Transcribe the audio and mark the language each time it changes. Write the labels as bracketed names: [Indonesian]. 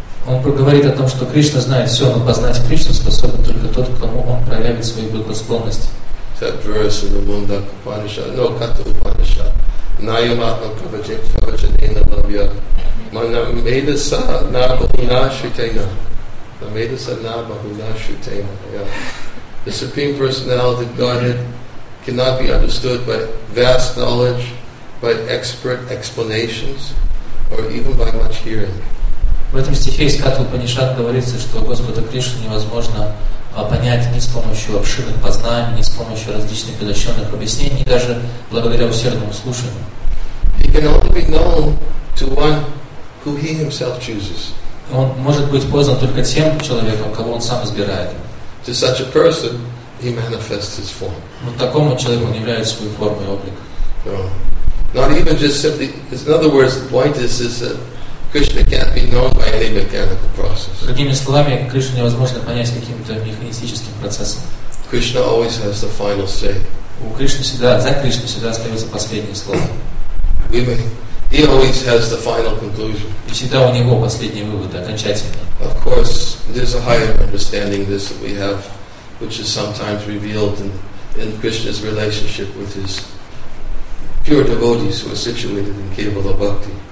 [Russian] Он говорит о том, что Кришна знает все, но познать Кришну способен только тот, кому он проявит свою благосклонность. [English] That verse in the Mundak Upanishad, no, Katha Upanishad. [Sanskrit] Nayamatma Pravajek Pravajanena Lavya. Manamedasa Nabahunashutena. Manamedasa Nabahunashutena. Yeah. [English] The Supreme Personality of Godhead cannot be understood by vast knowledge, by expert explanations, or even by much hearing. [Russian] В этом стихе из Катха Упанишад говорится, что Господа Кришну невозможно понять ни с помощью обширных познаний, ни с помощью различных изощренных объяснений, даже благодаря усердному слушанию. [English] He can only be known to one who he himself chooses. [Russian] Он может быть познан только тем человеком, кого он сам избирает. [English] To such a person, he manifests his form. [Russian] Вот такому человеку он являет свою форму и облик. [English] No. Not even just simply, in other words, the point is that Krishna can't be known by any mechanical process. [Russian] Другими словами, Кришну невозможно понять каким-то механистическим процессом. [English] Krishna always has the final say. [Russian] У Кришны всегда, за Кришной всегда остается последнее слово. [English] He always has the final conclusion. [Russian] И всегда у него последний вывод, окончательный. [English] Of course, there's a higher understanding this that we have, which is sometimes revealed in Krishna's relationship with his pure devotees who are situated in Kevala Bhakti.